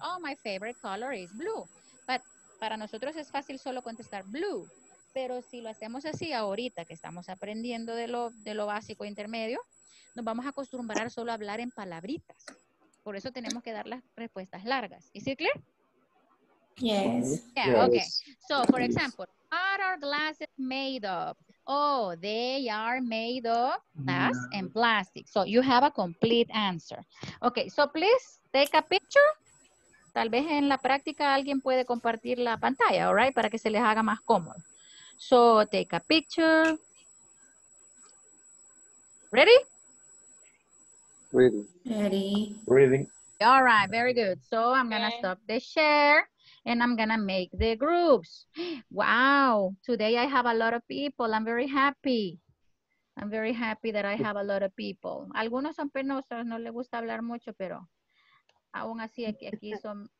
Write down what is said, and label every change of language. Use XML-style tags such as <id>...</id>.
<en>Oh, my favorite color is blue. But</en> <es>para nosotros es fácil solo contestar</es> <en>blue.</en> <es>Pero si lo hacemos así ahorita que estamos aprendiendo de lo básico intermedio, nos vamos a acostumbrar solo a hablar en palabritas. Por eso tenemos que dar las respuestas largas. ¿Es clear?</es> <en>Yes. Yeah, okay. So, for example, what are glasses made of? Oh, they are made of glass and plastic. So, you have a complete answer. Okay, so please take a picture.</en> <es>Tal vez en la práctica alguien puede compartir la pantalla,</es> <en>all right,</en> <es>para que se les haga más cómodo.</es> <en>So, take a picture. Ready? Ready. All right, very good. So, I'm going to stop the share and I'm going to make the groups. Wow, today I have a lot of people. I'm very happy. I'm very happy that I have a lot of people.</en> <es>Algunos son penosos, no les gusta hablar mucho, pero aún así aquí son...</es>